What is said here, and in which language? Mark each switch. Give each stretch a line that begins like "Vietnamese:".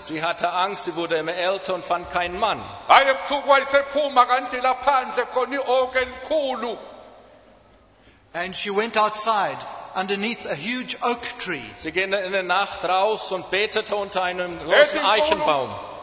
German: Sie hatte Angst, sie wurde immer älter und fand keinen Mann.
English: And she went outside underneath a huge oak tree.
German: Sie ging in der Nacht raus und betete unter einem großen Eichenbaum.